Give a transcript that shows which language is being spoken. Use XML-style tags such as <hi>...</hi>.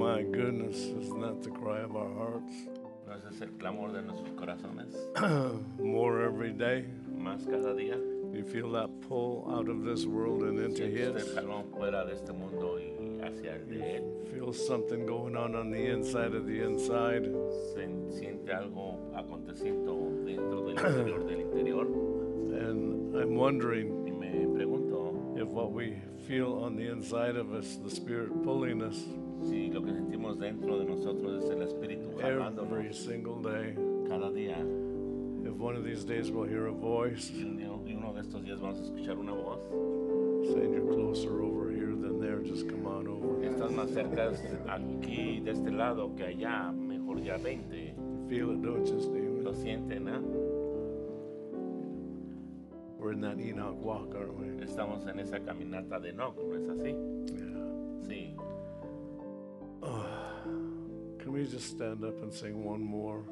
<en>goodness, isn't that the cry of our hearts?</en> <es>¿No es ese el clamor de nuestros corazones?</es> <en>More every day.</en> <es>Más cada día.</es> <en>You feel that pull out of this world and into</en> <es>Sientes</es> <en>his.</en> <es>El jalón fuera de este mundo y hacia el de él.</es> <en>Feel something going on the inside of the inside.</en> <es>Siente algo aconteciendo dentro del interior del interior.</es> <en>And I'm wondering</en> <es>y me pregunto,</es> <en>if what we feel on the inside of us, the Spirit pulling us,</en> <es>si lo que sentimos dentro de nosotros es el Espíritu jalándonos,</es> <en>every single day,</en> <es>cada día,</es> <en>if one of these days we'll hear a voice,</en> <es>y uno de estos días vamos a escuchar una voz,</es> <en>saying you're closer over here than there, just come on over.</en> <es>Estás más cerca aquí de este lado que allá, mejor ya vente.</es> <en>Feel it, don't you, Steven?</en> <es>Lo sienten, ¿eh?</es> <en>We're in that Enoch walk, aren't we?</en> <es>Estamos en esa caminata de Enoch, ¿no es así?</es> <en>Yeah.</en> <es>Sí.</es> <en>Can we just stand up and sing one more?</en>